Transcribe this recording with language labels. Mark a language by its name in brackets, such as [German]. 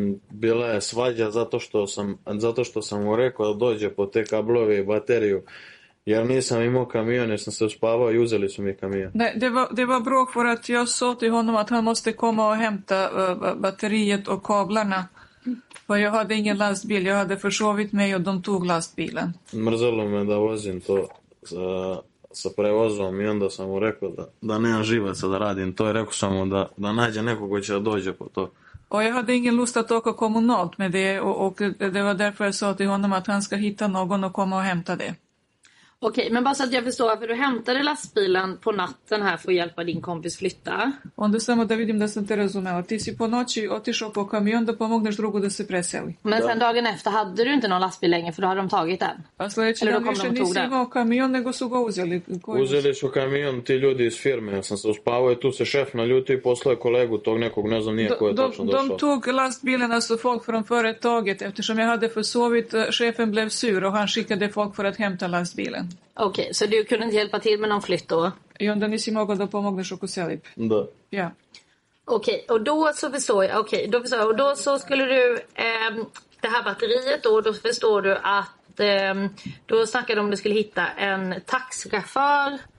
[Serbian] Bila je svađa zato što sam mu rekao da dođe po te kablove i bateriju. Jer nisam imao kamion, jer sam se uspavao i uzeli su mi kamion. [Swedish] Ne, det var bråk för att jag sa till honom att han måste komma och hämta batteriet och kablarna. För jag hade ingen lastbil, jag hade försovit mig och de tog lastbilen. [Serbian] Mrzelo me da vozim to sa prevozom i onda sam mu rekao da nemam živaca da radim to i rekao sam mu da nađe nekog ko će da dođe po to. [Swedish] Och jag hade ingen lust att åka kommunalt med det och det var därför jag sa till honom att han ska hitta någon och komma och hämta det. Okej, men bara så att jag förstår varför du hämtade lastbilen på natten här för att hjälpa din kompis flytta. [Serbian] Om du samo da vidim da sam te razumela. Ti si po noći otišao po kamion da pomogneš drugu da se preseli. [Swedish] Men sen dagen efter hade du inte någon lastbil längre för då hade de tagit den. [Serbian] A sljedeći dan više nisi imao kamion nego su ga uzeli. Uzeli su kamion ti ljudi iz firme. Ja sam se uspavao i tu se šef naljutio i poslao kolegu tog nekog, ne znam nije ko je točno došao. [Swedish] De tog lastbilen, alltså folk från företaget. Eftersom jag hade försovit, chefen blev sur och han skickade folk för att hämta lastbilen. Okej, så du kunde inte hjälpa till med någon flytt då? Jo, den är så mogad att pomogna chokoselip. [Serbian] Da. [Swedish] Ja. Okej, och då så förstår jag. Okej, då förstår jag. Och då så skulle du, det här batteriet då förstår du att, då snackade du om du skulle hitta en taxichaufför.